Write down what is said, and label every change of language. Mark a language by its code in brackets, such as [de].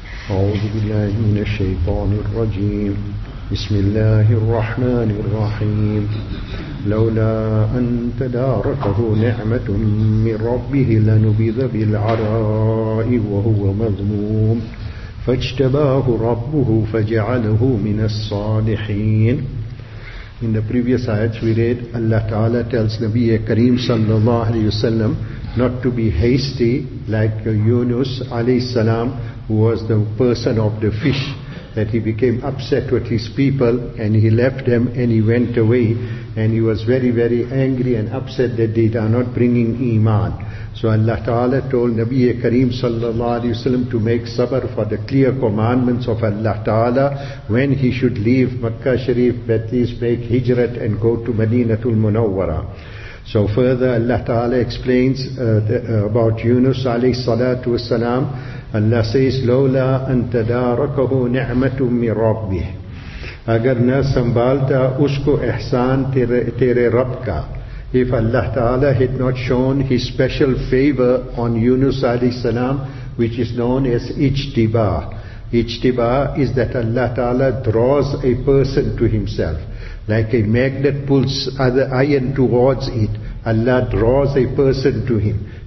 [ar] أعوذ بالله من الشيطان الرجيم. بسم الله الرحمن الرحيم. لولا أن تداركه نعمة من ربه لنبذ بالعراء وهو مذموم. فاجتباه ربه فجعله من الصالحين. [en] In the previous ayat we read, Allah Ta'ala tells Nabi Kareem sallallahu alayhi wa sallam not to be hasty like Yunus alayhi salam, who was the person of the fish, that he became upset with his people and he left them and he went away and he was very, very angry and upset that they are not bringing iman. So Allah Ta'ala told Nabi Kareem sallallahu alayhi wa sallam to make sabr for the clear commandments of Allah Ta'ala when he should leave Makkah Sharif, Baitis, make hijrat and go to Madinatul Munawwara. So further Allah Ta'ala explains about Yunus alayhi salatu wa salam. Allah says, [ar] لَوْلَا أَن تَدَارَكَهُ نِعْمَةٌ مِّن رَبِّهِ. [ur] اگر نہ سنبھالتا اس کو احسان تیرے رب کا. [en] If Allah Ta'ala had not shown His special favor on Yunus alayhi salam, which is known as ijtiba. Ijtiba is that Allah Ta'ala draws a person to Himself. Like a magnet pulls other iron towards it, Allah draws a person to Him.